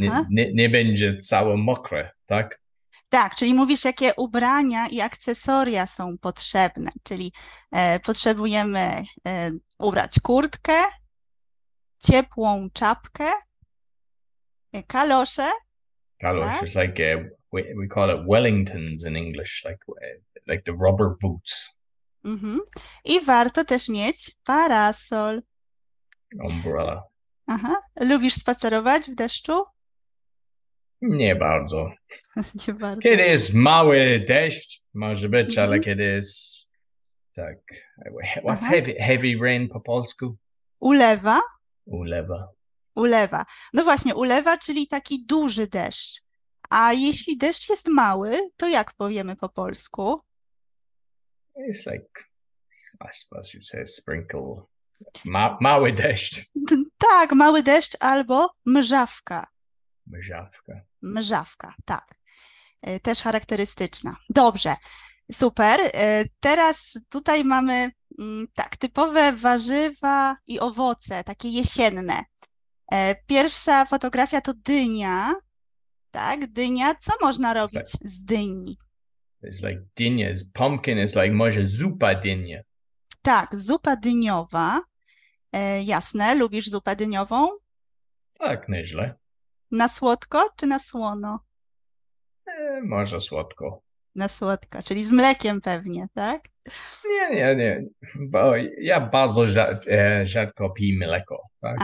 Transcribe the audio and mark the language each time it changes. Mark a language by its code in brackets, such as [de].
[pl] Nie będzie całe mokre, tak? Tak, czyli mówisz, jakie ubrania i akcesoria są potrzebne. Czyli potrzebujemy ubrać kurtkę, ciepłą czapkę, kalosze. Kalosze, tak? [en] It's like we call it Wellingtons in English, like the rubber boots. Mm-hmm. [pl] I warto też mieć parasol. [en] Umbrella. Aha. [pl] Lubisz spacerować w deszczu? Nie bardzo. Nie bardzo. Kiedy jest mały deszcz, może być, ale kiedy jest tak. [en] What's heavy rain [pl] po polsku? Ulewa. Ulewa. Ulewa. No właśnie, ulewa, czyli taki duży deszcz. A jeśli deszcz jest mały, to jak powiemy po polsku? [en] It's like, I suppose you'd say sprinkle. [pl] Mały deszcz. Tak, mały deszcz albo mrzawka. Mrzawka. Mrzawka, tak. Też charakterystyczna. Dobrze, super. Teraz tutaj mamy tak typowe warzywa i owoce, takie jesienne. Pierwsza fotografia to dynia, tak? Dynia, co można robić z dyni? [en] It's like dynia, pumpkin is like [pl] może zupa dynia. Tak, zupa dyniowa. Jasne, lubisz zupę dyniową? Tak, nieźle. Na słodko czy na słono? Może słodko. Na słodko, czyli z mlekiem pewnie, tak? Nie, bo ja bardzo rzadko piję mleko, także.